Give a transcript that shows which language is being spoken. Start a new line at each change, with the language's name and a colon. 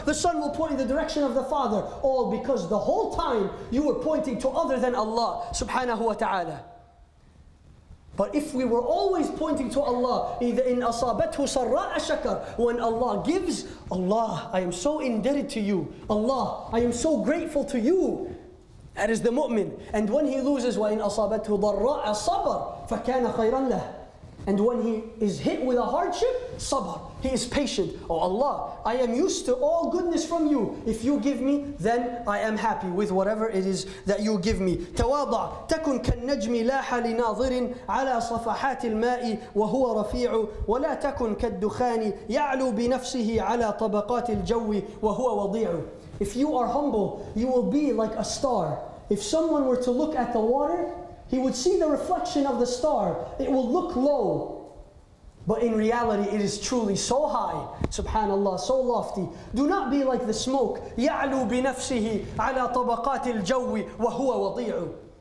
English: The son will point in the direction of the father. All because the whole time you were pointing to other than Allah subhanahu wa ta'ala. But if we were always pointing to Allah, either in
Arabic: أَصَابَتْهُ سَرَّاءَ شَكَرْ,
English: when Allah gives, Allah, I am so indebted to you. Allah, I am so grateful to you. That is the mu'min. And when he loses,
Arabic: وَإِنْ أَصَابَتْهُ ضَرَّاءَ صَبَرْ فَكَانَ خَيْرًا لَهُ.
English: And when he is hit with a hardship, صَبَرْ, he is patient. Oh Allah, I am used to all goodness from you. If you give me, then I am happy with whatever it is that you give me.
Arabic: تواضع تكن كالنجم لاح لناظر على صفحات الماء وهو رفيع ولا تكن كالدخان يعلو بنفسه على طبقات الجو وهو وضيع.
English: If you are humble, you will be like a star. If someone were to look at the water, he would see the reflection of the star. It will look low. But in reality, it is truly so high, subhanallah, so lofty. Do not be like the smoke.
Arabic: يَعْلُو بِنَفْسِهِ عَلَى طَبَقَاتِ الْجَوِّ وَهُوَ وَضِيعُ.